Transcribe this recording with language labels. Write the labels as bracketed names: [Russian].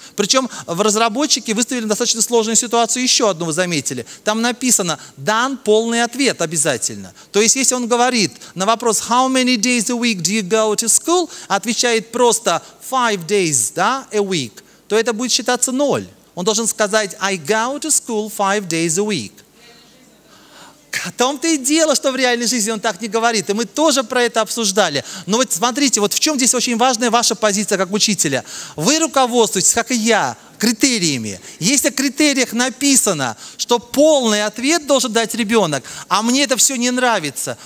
[Russian] Причем в разработчике выставили достаточно сложную ситуацию, еще одну вы заметили. Там написано, дан полный ответ обязательно. То есть если он говорит на вопрос, [English] how many days a week do you go to school, [Russian] отвечает просто [English] 5 days, [Russian] да, [English] a week, [Russian] то это будет считаться ноль. Он должен сказать [English] «I go to school 5 days a week». [Russian] О том-то и дело, что в реальной жизни он так не говорит. И мы тоже про это обсуждали. Но вот смотрите, вот в чем здесь очень важная ваша позиция как учителя. Вы руководствуетесь, как и я, критериями. Если в критериях написано, что полный ответ должен дать ребенок, а мне это все не нравится.